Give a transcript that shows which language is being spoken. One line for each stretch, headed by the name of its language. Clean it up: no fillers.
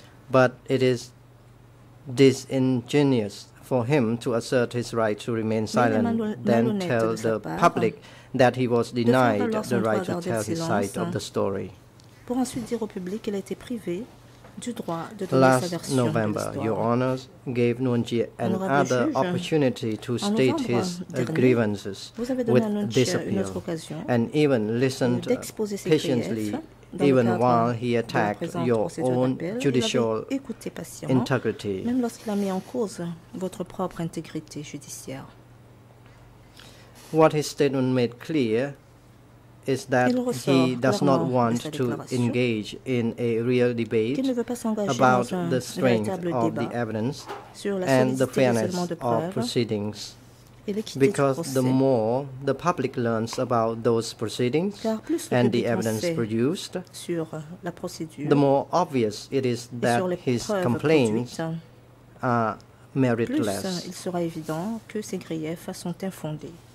English: But it is disingenuous for him to assert his right to remain silent, then tell the public that he was denied the right to tell his side of the story.
French: Pour ensuite dire au public qu'il a été privé du droit de donner
English: last
French: sa version
English: November,
French: de l'histoire.
English: Your Honours gave Nunjie another opportunity to state his grievances with this appeal and even listened patiently even while he attacked your own judicial integrity.
French: Même lorsqu'il a mis en cause votre propre intégrité judiciaire.
English: What his statement made clear is that he does not want to engage in a real debate about the strength of the evidence and the fairness of proceedings, because the more the public learns about those proceedings and the evidence produced, the more obvious it is that his complaints are meritless.
French: Il sera évident que ses griefs sont infondés.